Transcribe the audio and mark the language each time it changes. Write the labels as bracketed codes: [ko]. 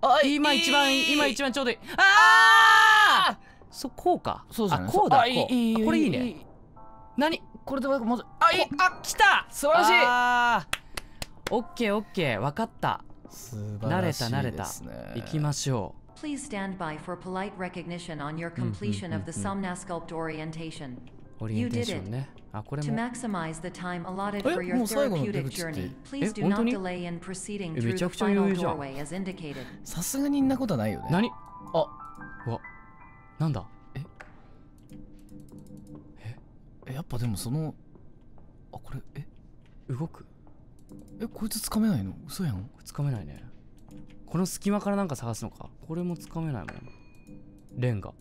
[ja] 今一番、今一番ちょうどいい、あー、そ、こうか、そうじゃない、あ、こうだ、こう、いい、いい、これいいね、なに、これでもまず、あ、いい、あ、来た、素晴らしい、あー、オッケーオッケー、わかった、素晴らしいですね、慣れた慣れた、行きましょう、 [en] Please stand by for polite recognition on your completion of the Somnasculpt orientation. You did it. To maximize the time allotted for your therapeutic journey, please do not delay in proceeding through the final doorway as indicated. [ja] さすがにんなことないよね。何？あ、わ、なんだ？え？え？やっぱでもその、あ、これ、え？動く？え、こいつ掴めないの？嘘やん。掴めないね。この隙間からなんか探すのか、これも掴めないもん、レンガ